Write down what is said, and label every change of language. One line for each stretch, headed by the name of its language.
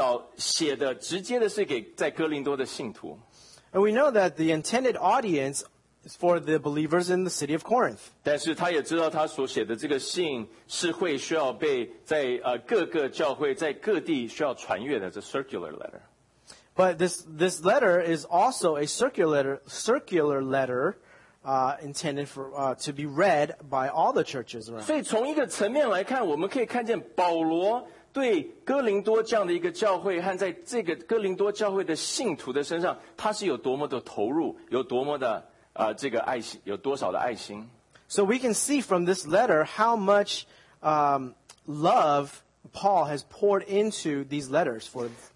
Chinese: 所以我们看见保罗，他当然这封书信最早写的直接的是给在哥林多的信徒。
English: And we know that the intended audience is for the believers in the city of Corinth.
Chinese: 但是他也知道他所写的这个信是会需要被在 各个教会在各地需要传阅的这 circular letter.
English: But this letter is also a circular letter intended for to be read by all the churches around.
Chinese: 所以从一个层面来看，我们可以看见保罗对哥林多这样的一个教会和在这个哥林多教会的信徒的身上，他是有多么的投入，有多么的
English: So we can see from this letter how much love Paul has poured into these letters for.